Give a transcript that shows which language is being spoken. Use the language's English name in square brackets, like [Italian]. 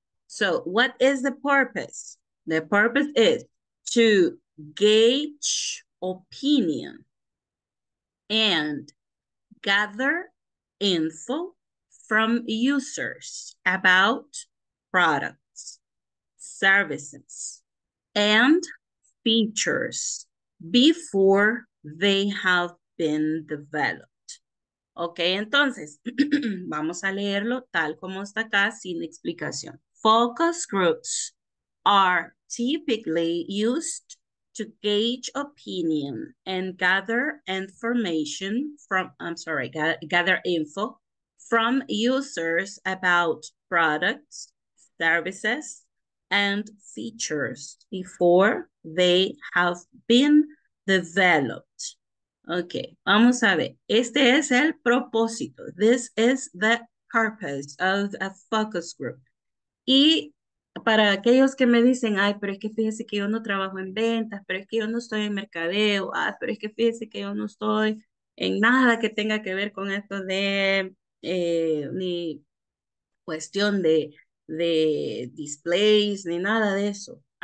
[English] So what is the purpose? The purpose is to gauge opinion and gather info from users about products, services, and features before they have been developed. [Spanish] Okay, entonces, vamos a leerlo tal como está acá, sin explicación. [English] Focus groups are typically used to gauge opinion and gather information from, gather info from users about products, services, and features before they have been developed. [Spanish] Okay, vamos a ver. Este es el propósito. [English] This is the purpose of a focus group. [Spanish] Y para aquellos que me dicen, ay, pero es que fíjese que yo no trabajo en ventas, pero es que yo no estoy en mercadeo, ay, pero es que fíjese que yo no estoy en nada que tenga que ver con esto de ni cuestión de displays ni nada de eso.